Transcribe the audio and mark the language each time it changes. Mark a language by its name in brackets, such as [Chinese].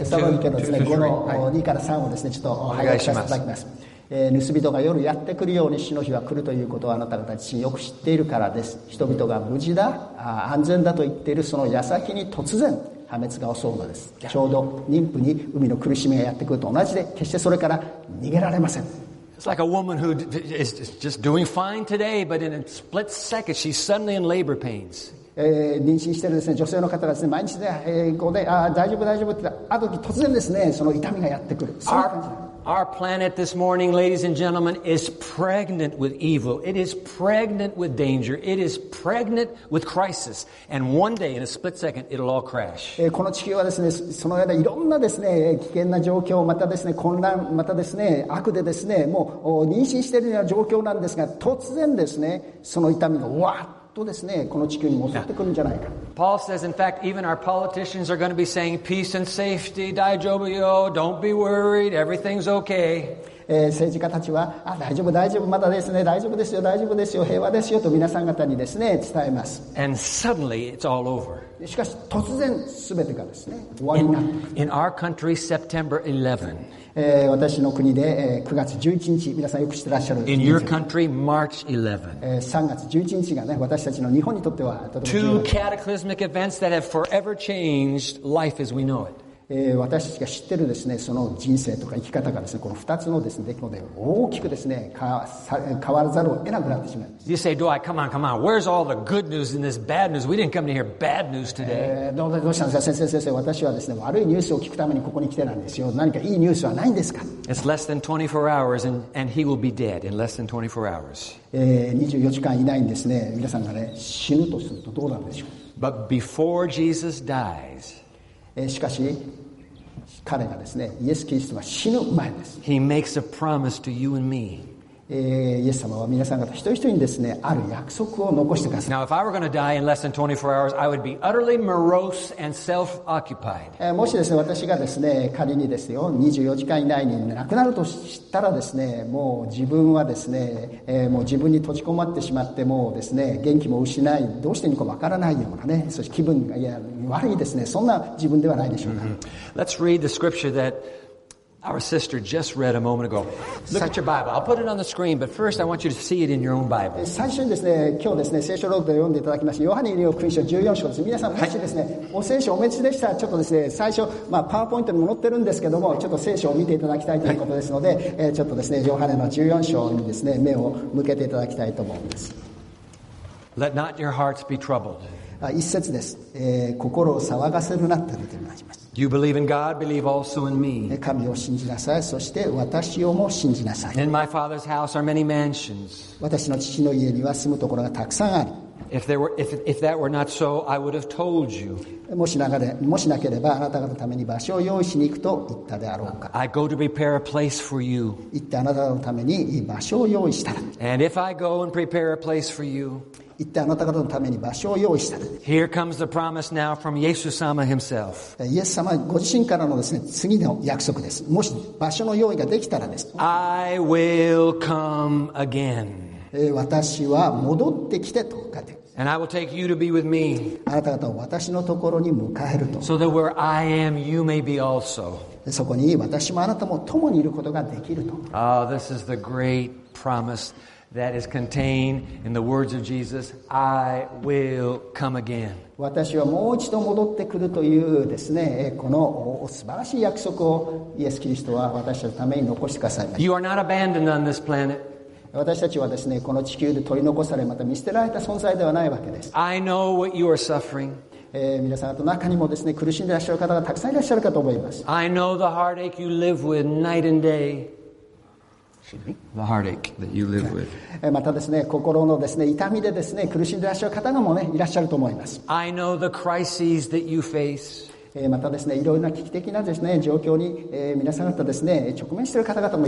[Japanese] 2, 3. 5の2から3をですね、ちょっとお願いしていただきます。盗人が夜やってくるように死の日は来るということをあなた方自身よく知っているからです。人々が無事だ安全だと言っているその矢先に突然破滅が襲うのです。ちょうど妊婦に海の苦しみがやってくると同じで決してそれから逃げられません。 [English] It's like a woman who is just doing fine today, but in a split second she's suddenly in labor pains. [Japanese] 妊娠しているです、ね、女性の方がです、ね、毎日で、あ大丈夫大丈夫ってあの時突然です、ね、その痛みがやってくる。そういう感じ。 [English] Our planet this morning, ladies and gentlemen, is pregnant with evil. It is pregnant with danger. It is pregnant with crisis. And one day, in a split second, it'll all crash. [Japanese] この地球はですね、そのようないろんなですね、危険な状況、またですね、混乱、またですね、悪でですね、もう妊娠しているような状況なんですが、突然ですね、その痛みがわっとですね、この地球に襲ってくるんじゃないか。 [English] Paul says, in fact, even our politicians are going to be saying, peace and safety, [Japanese] daijoubu yo, [English] don't be worried, everything's okay. [Japanese] 政治家たちは、あ、大丈夫、大丈夫、まだですね、大丈夫ですよ、大丈夫ですよ、平和ですよと皆さん方にですね、伝えます。 [English] And suddenly, it's all over. [Japanese] しかし、突然、すべてがですね、終わりになった。 [English] In our country, September 11. [Japanese] 私の国で、9月11日、皆さんよく知ってらっしゃる。 [English] In your country, March 11. [Japanese] 3月11日がね、私たちの日本にとってはとても重要。 [English] Two cataclysmic events that have forever changed life as we know it. [Japanese] 私たちが知ってるですね、その人生とか生き方がですね、この二つのですね、出来事で大きくですね、変わらざるを得なくなってしまいます。 [English] You say, do I? Come on, come on. Where's all the good news in this bad news? We didn't come to hear bad news today. [Japanese] どうしたんですか、先生。私はですね、悪いニュースを聞くためにここに来てなんですよ。何かいいニュースはないんですか [English] ？It's less than 24 hours, and he will be dead in less than 24 hours. [Japanese] 24時間以内にですね、皆さんがね、死ぬとするとどうなんでしょう [English] ？But before Jesus dies. [Japanese] しかし彼がですね、イエス・キリストは死ぬ前です。 [English] He makes a promise to you and me. [Japanese] イエス様は皆さん方一人一人にですね、ある約束を残してください。 [English] Now, if I were going to die in less than 24 hours, I would be utterly morose and self-occupied. [Japanese] もしですね、私がですね、仮にですよ、24時間以内に亡くなるとしたらですね、もう自分はですね、もう自分に閉じこもってしまって、もうですね、元気も失い、どうしていいのかわからないようなね、そして気分がいや悪いですね、そんな自分ではないでしょうか。 Mm-hmm. [English] Let's read the scripture that. Our sister just read a moment ago. Look at your Bible. I'll put it on the screen, but first I want you to see it in your own Bible. [Japanese] 最初にですね、今日ですね、聖書朗読で読んでいただきました。ヨハネの福音書14章です。皆さん、もしですね、お聖書お持ちでしたら、ちょっとですね、最初、まあ、パワーポイントにも載ってるんですけども、ちょっと聖書を見ていただきたいということですので、はい、ちょっとですね、ヨハネの14章にですね、目を向けていただきたいと思います。 [English] Let not your hearts be troubled. [Japanese] 一節です。心を騒がせるなって言っています。 [English] You believe in God, believe also in me. [Japanese] 神を信じなさい、そして私をも信じなさい。 [English] In my father's house are many mansions. [Japanese] 私の父の家には住むところがたくさんある。 [English] If that were not so, I would have told you. [Japanese] もしなければあなた方のために場所を用意しに行くと言ったであろうか。 [English] I go to prepare a place for you. [Japanese] 行ってあなた方のために場所を用意したら。 [English] And if I go and prepare a place for you. [Japanese] 言ってあなた方のために場所を用意した。 [English] Here comes the promise now from Yesus-sama himself. [Japanese] イエス様ご自身からのですね、次の約束です。もし場所の用意ができたらです。 [English] I will come again. [Japanese] 私は戻ってきてとかで。 [English] And I will take you to be with me. [Japanese] あなた方を私のところに迎えると。 [English] So that where I am, you may be also. [Japanese] そこに私もあなたも共にいることができると。 [English] Ah, this is the great promise. That is contained in the words of Jesus. I will come again. [Japanese] 私はもう一度戻ってくるというですね、この素晴らしい約束をイエス・キリストは私たちのために残してくださいました。 [English] You are not abandoned on this planet. [Japanese] 私たちはですね、この地球で取り残され、また見捨てられた存在ではないわけです。 [English] I know what you are suffering. [Japanese] 皆さんの中にもですね、苦しんでいらっしゃる方がたくさんいらっしゃるかと思います。 [English] I know the heartache you live with night and day. The heartache that you live with. [Japanese] またですね、心のですね、痛みでですね、苦しんでいらっしゃる方もね、いらっしゃると思います。 [English] I know the crises that you face. [Japanese] またですね、いろいろな危機的なですね、状況に、皆さん方ですね、直面している方々も。